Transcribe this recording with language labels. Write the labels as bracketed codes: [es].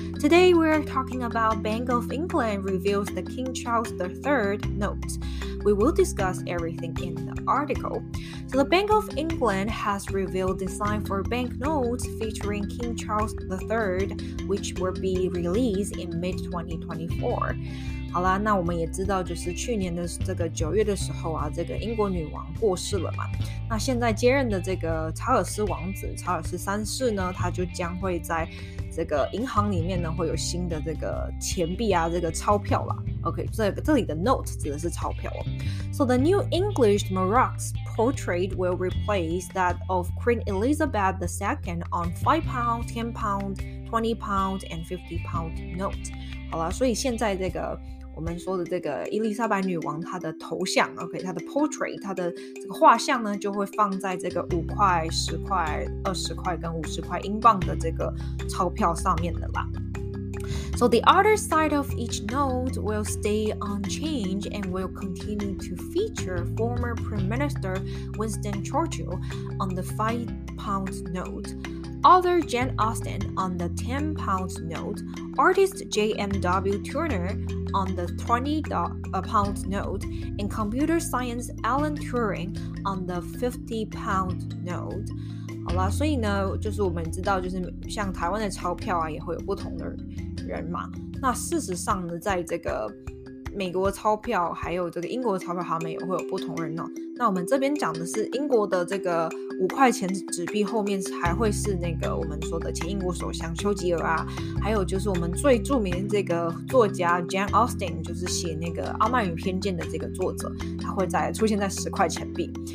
[en] Today, we're talking about Bank of England reveals the King Charles III note. We will discuss everything in the article. So the Bank of England has revealed design for banknotes featuring King Charles III, which will be released in mid-2024. [zh] 好啦，那我们也知道，就是去年的这个九月的时候啊，这个英国女王过世了嘛。那现在接任的这个查尔斯王子，查尔斯三世呢，他就将会在这个银行里面呢，会有新的这个钱币啊，这个钞票啦。 OK， 这里的 note 指的是钞票哦。 [en] So the new English Maroc's portrait will replace that of Queen Elizabeth II on £5, £10, £20, and £50 note. [zh] 好啦，所以现在这个我们说的这个伊丽莎白女王她的头像 ，OK， 她的 portrait， 她的这个画像呢，就会放在这个五块、十块、二十块跟五十块英镑的这个钞票上面的啦。 [en] So the other side of each note will stay unchanged and will continue to feature former Prime Minister Winston Churchill on the £5 note. Author Jane Austen on the £10 note, artist J.M.W. Turner on the £20 note, and computer science Alan Turing on the £50 note. [zh] 好啦，所以呢，就是我们知道，就是像台湾的钞票啊，也会有不同的人嘛。那事实上呢，在这个美国钞票还有这个英国钞票，他们也会有不同人哦。那我们这边讲的是英国的这个五块钱纸币后面还会是那个我们说的前英国首相丘吉尔啊，还有就是我们最著名的这个作家 Jane Austen， 就是写那个《傲慢与偏见》的这个作者，他会在出现在十块钱币。